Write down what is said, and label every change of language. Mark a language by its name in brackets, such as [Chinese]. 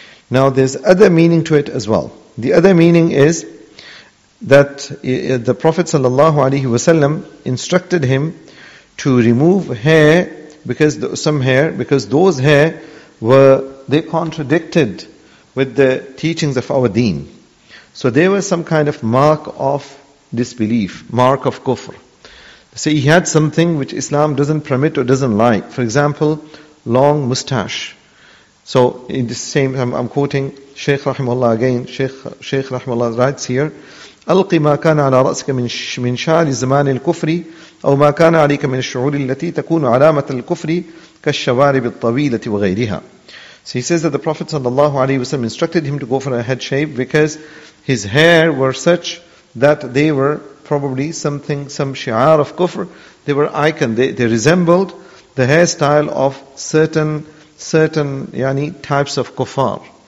[English] Now there's other meaning to it as well. The other meaning is that the Prophet sallallahu alaihi wasallam instructed him to remove hair, because those hair contradicted with the teachings of our deen. So they were some kind of mark of disbelief, mark of kufr. See, he had something which Islam doesn't permit or doesn't like. For example, long mustache. So in the same, I'm quoting Shaykh Rahimullah again. Shaykh Rahimullah writes here, [Arabic] ألقي ما كان على رأسك من شعر زمان الكفر أو ما كان عليك من الشعور التي تكون علامة الكفر كالشوارب الطويلة وغيرها. [English] So he says that the Prophet sallallahu alaihi wasallam instructed him to go for a head shave because his hair were such that they were probably something, some shi'ar of kufr. They were icon. They resembled the hairstyle of certain yani types of kufar.